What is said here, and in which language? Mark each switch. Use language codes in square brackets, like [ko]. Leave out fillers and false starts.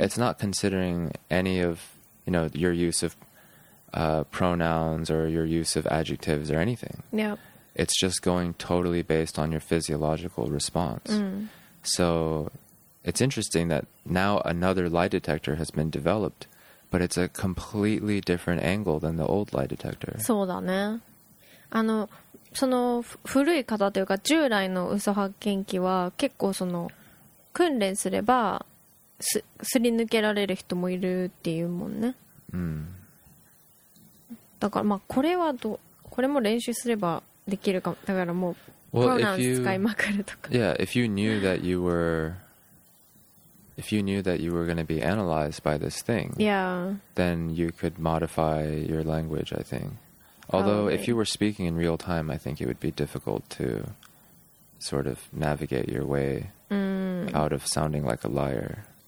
[en] It's not considering any of, you know, your use of pronouns or your use of adjectives or anything. Yep. It's just going totally based on your physiological response. Mm. So it's interesting that now another lie detector has been developed, but it's a completely different angle than the old lie detector. [ja] そうだね。あの、その古い方というか従来の嘘発見器は結構その訓練すれば すり抜けられる人もいるっていうもんね。うん。だからまあこれはどこれも練習すればできるかも。だからもうプロナウン使いまくるとか。 [en] Yeah, if you knew that you were going to be analyzed by this thing, yeah, then you could modify your language, I think. Although, if you were speaking in real time, I think it would be difficult to sort of navigate your way out of sounding like a liar.